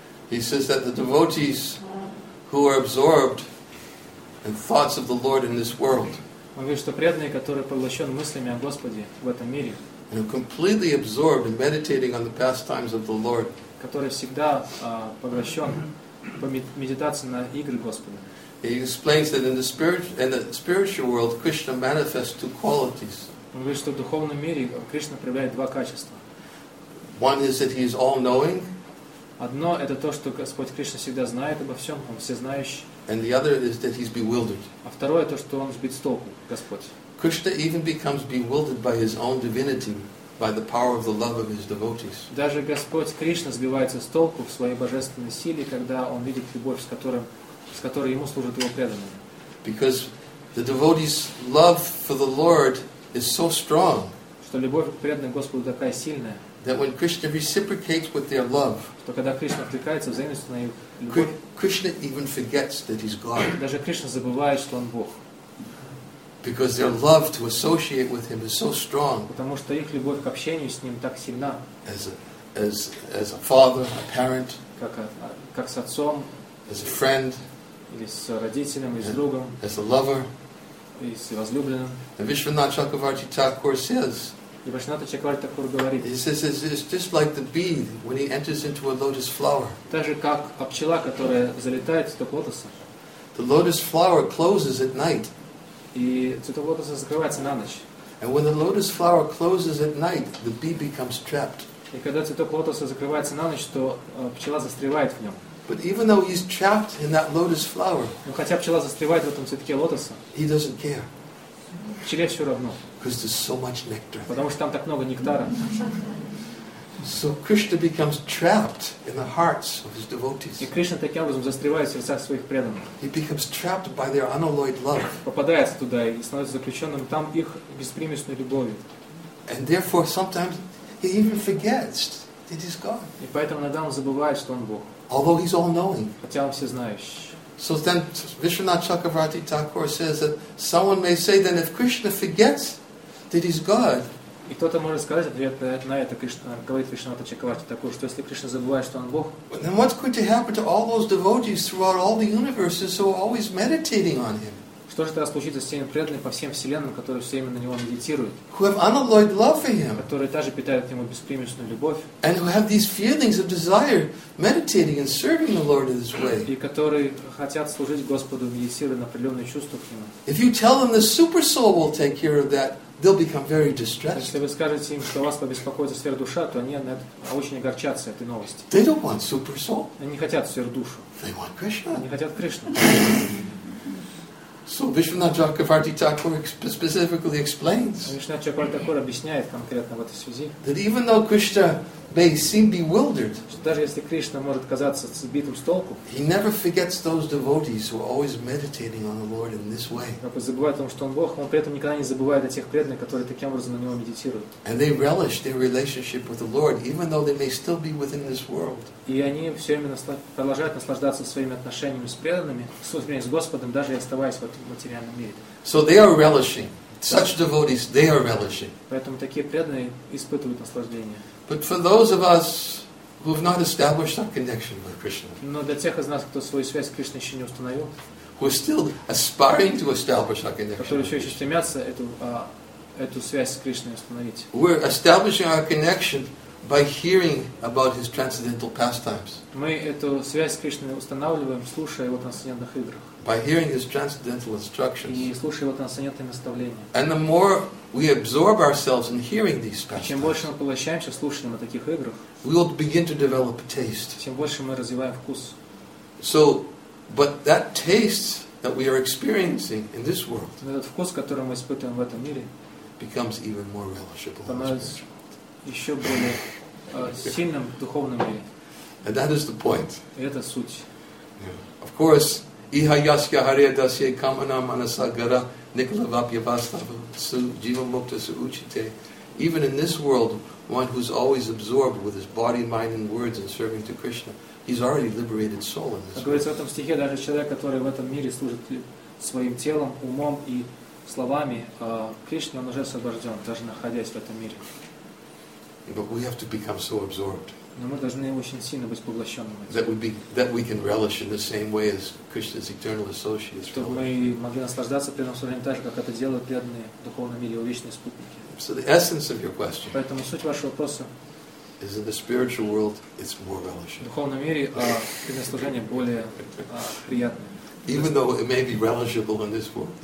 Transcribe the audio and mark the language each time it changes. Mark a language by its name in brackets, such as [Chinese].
[English] He says that the devotees who are absorbed in thoughts of the Lord in this world. [Russian] Он говорит, что преданные, которые поглощены мыслями о Господе в этом мире. [English] And completely absorbed in meditating on the pastimes of the Lord. [Russian] Который всегда поглощен по медитации на игры Господа. [English] He explains that in the spiritual world, Krishna manifests two qualities. [Russian] Он говорит, что в духовном мире Кришна проявляет два качества. [English] One is that he is all knowing. [Russian] Одно это то, что Господь Кришна всегда знает обо всем, он всезнающий. [English] And the other is that he's bewildered. [Russian] А второе то, что он сбит с толку, Господь. [English] Krishna even becomes bewildered by his own divinity, by the power of the love of his devotees. [Russian] Даже Господь Кришна сбивается с толку в своей божественной силе, когда он видит любовь, с которой ему служат его преданные. [English] Because the devotee's love for the Lord is so strong. [Russian] Что любовь к преданным Господу такая сильная. [English] That when Krishna reciprocates with their love, [Russian] что когда Кришна откликается взаимностью на их [English] любовь, Krishna even forgets that he's God. [Russian] Даже Кришна забывает, что он Бог. [English] Because their love to associate with him is so strong. [Russian] Потому что их любовь к общению с ним так сильна. [English] As a father, a parent, [Russian] как с отцом, [English] as a friend, [Russian] или с родителем, или с другом, [English] as a lover, [Russian] и с возлюбленным. [English] The Vishwanatha Chakravarti Thakur says, [Russian] и Вайшнава Чакраварти Такур говорит, [English] it's just like the bee when he enters into a lotus flower. [Russian] Так же, как пчела, которая залетает в цветок лотоса. [English] The lotus flower closes at night. [Russian] И цветок лотоса закрывается на ночь. [English] And when the lotus flower closes at night, the bee becomes trapped. [Russian] И когда цветок лотоса закрывается на ночь, то пчела застревает в нем. [English] But even though he's trapped in that lotus flower, [Russian] но хотя пчела застревает в этом цветке лотоса, [English] he doesn't care. [Russian] Пчеле все равно. [English] Because there's so much nectar. [Russian] Потому что там так много нектара. [English] So Krishna becomes trapped in the hearts of his devotees. [Russian] И Кришна таким образом застревает в сердцах своих преданных. [English] He becomes trapped by their unalloyed love. [Russian] Попадает туда и становится заключенным там их беспримесной любовью. [English] And therefore, sometimes he even forgets that he's God. [Russian] И поэтому иногда он забывает, что он Бог. [English] Although he's all-knowing. [Russian] Хотя он всезнающий. [English] So then Vishwanatha Chakravarti Thakur says that someone may say then if Krishna forgets that he's God. [Russian] И кто-то может сказать ответ на это, Кришна, говорит Вишнавата Чакраварти Такур, что если Кришна забывает, что он Бог, [English] then what's going to happen to all those devotees throughout all the universes who are always meditating on him? [Russian] Что же тогда случится с теми преданными по всем вселенным, которые все время на него медитируют? [English] Who have unalloyed love for him? [Russian] Которые также питают к нему беспримесную любовь. [English] And who have these feelings of desire meditating and serving the Lord in this way? [Russian] И которые хотят служить Господу, медитируя на определенные чувства к нему. [English] If you tell them the super soul will take care of that, they'll become very distressed. [Russian] Если вы скажете им, что вас побеспокоит сверхдуша, то они очень огорчатся этой новости. [English] They don't want super soul. [Russian] Они хотят сверхдушу. [English] They want Krishna. [Russian] Они хотят Кришну. [English] So Vishwanatha Chakravarti Thakur specifically explains. [Russian] Vishwanatha Chakravarti Thakur объясняет конкретно в этой связи. [English] That even though Krishna may seem bewildered, [Russian] даже если Кришна может казаться сбитым с толку, [English] he never forgets those devotees who are always meditating on the Lord in this way. [Russian] Он забывает о том, что он Бог, он при этом никогда не забывает о тех преданных, которые таким образом на него медитируют. [English] And they relish their relationship with the Lord, even though they may still be within this world. [Russian] И они все время продолжают наслаждаться своими отношениями с преданными, с Господом, даже оставаясь в этом материальном мире. [English] So they are relishing. Such devotees, they are relishing. [Russian] Поэтому такие преданные испытывают наслаждение. [English] But for those of us who have not established our connection with Krishna, [Russian] но для тех из нас, кто свою связь с Кришной еще не установил, [English] who are still aspiring to establish our connection, [Russian] которые еще стремятся эту связь с Кришной установить, [English] we're establishing our connection by hearing about his transcendental pastimes. [Russian] Мы эту связь с Кришной устанавливаем, слушая его трансцендентных играх. [English] By hearing his transcendental instructions. [Russian] И слушая его трансцендентные наставления. [English] And the more we absorb ourselves in hearing these pastimes, [Russian] чем больше мы поглощаемся слушанием о таких играх, [English] we will begin to develop a taste. [Russian] Тем больше мы развиваем вкус. [English] So, but that taste that we are experiencing in this world, [Russian] этот вкус, который мы испытываем в этом мире, [English] becomes even more relishable. [Russian] Еще более сильным духовным мире. [English] And that is the point. [Russian] И это суть. [English] Yeah. Of course, [Sanskrit] Iha yaskya hariya dasya kamana manasa gara nikla vapya vastava su jiva mukta su uchite. [English] Even in this world, one who's always absorbed with his body, mind, and words and serving to Krishna, he's already liberated soul in this world. [Russian] Говорится в этом стихе, даже человек, который в этом мире служит своим телом, умом и словами Кришне, он уже освобожден, даже находясь в этом мире. [English] But we have to become so absorbed. [Russian] Но мы должны очень сильно быть поглощенными. [English] That we can relish in the same way as Krishna's eternal associates. [Russian] Чтобы мы могли наслаждаться при этом служении так, как это делают преданные в духовном мире, его вечные спутники. [English] So the essence of your question. [Russian] Поэтому суть вашего вопроса. [English] Is in the spiritual world, it's more relishing. [Russian] В духовном мире преданное служение более приятное. [English] Even though it may be relishable in this world.